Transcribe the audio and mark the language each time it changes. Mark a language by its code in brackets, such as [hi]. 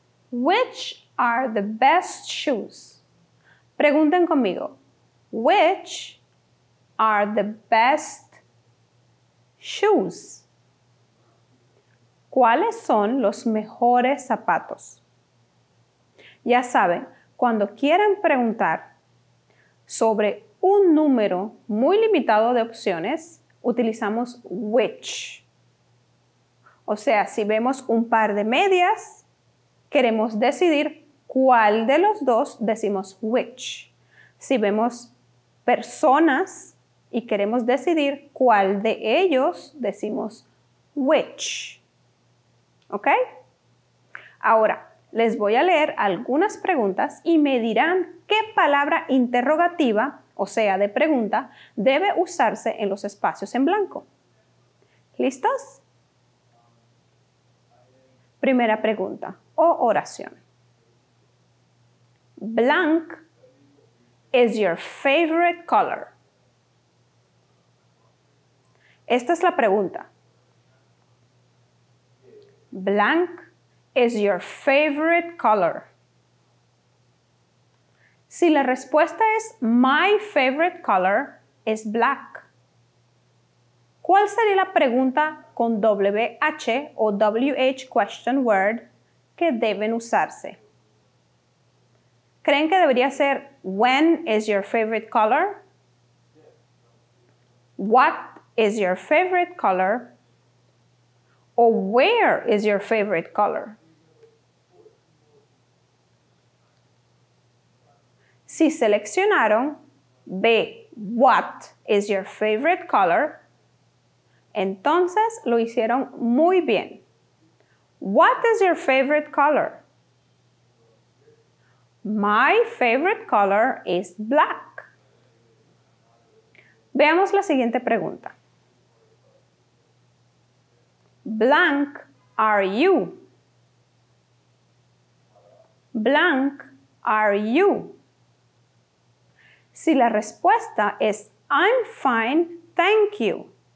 [en] Which are the best shoes? [es] Pregunten conmigo. [en] Which are the best shoes? [es] ¿Cuáles son los mejores zapatos? Ya saben, cuando quieran preguntar sobre un número muy limitado de opciones, utilizamos which. O sea, si vemos un par de medias, queremos decidir cuál de los dos, decimos which. Si vemos personas y queremos decidir cuál de ellos, decimos which. ¿Ok? Ahora, les voy a leer algunas preguntas y me dirán qué palabra interrogativa, o sea, de pregunta, debe usarse en los espacios en blanco. ¿Listos? Primera pregunta o oración. [en] Blank is your favorite color. [es] Esta es la pregunta. Blank [en] is your favorite color? [es] Si la respuesta es [en] my favorite color is black, [es] ¿cuál sería la pregunta con WH o WH question word que deben usarse? ¿Creen que debería ser [en] when is your favorite color? What is your favorite color? O where is your favorite color? [es] Si seleccionaron B, [en] what is your favorite color, [es] entonces lo hicieron muy bien. [en] What is your favorite color? My favorite color is black. [es] Veamos la siguiente pregunta. [en] Blank are you? Blank are you? [es] Si la respuesta es [en] I'm fine, thank you.